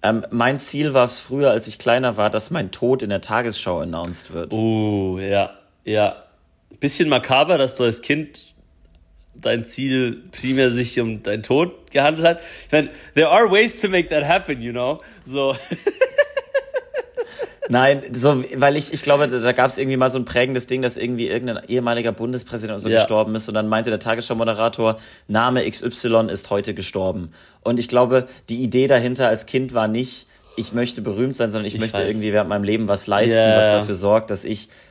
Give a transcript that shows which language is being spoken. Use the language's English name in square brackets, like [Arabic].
[German] Mein Ziel war es früher, als ich kleiner war, dass mein Tod in der Tagesschau announced wird. Ja. Bisschen makaber, dass du als Kind dein Ziel primär sich um deinen Tod gehandelt hat. [English] Ich meine, there are ways to make that happen, you know? [German] So. Nein, so, weil ich glaube, da gab es irgendwie mal so ein prägendes Ding, dass irgendwie irgendein ehemaliger Bundespräsident so gestorben ist und dann meinte der Tagesschau-Moderator, Name XY ist heute gestorben. Und ich glaube, die Idee dahinter als Kind war nicht, ich möchte berühmt sein, sondern ich möchte irgendwie während meinem Leben was leisten, was dafür sorgt, dass ich.